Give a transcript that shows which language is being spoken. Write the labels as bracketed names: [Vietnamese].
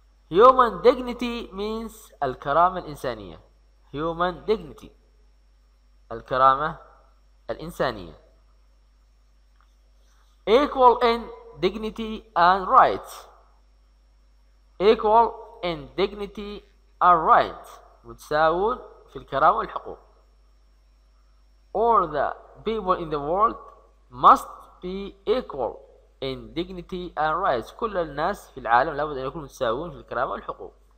[English] Human dignity means [Arabic] الكرامة الإنسانية. [English] Human dignity. [Arabic] الكرامة الإنسانية. [English] Equal in dignity and rights. Equal in dignity and rights. [Arabic] متساوون في الكرامة والحقوق. [English] All the people in the world must be equal in dignity and rights. [Arabic] كل الناس في العالم لابد أن يكونوا متساوون في الكرامة والحقوق.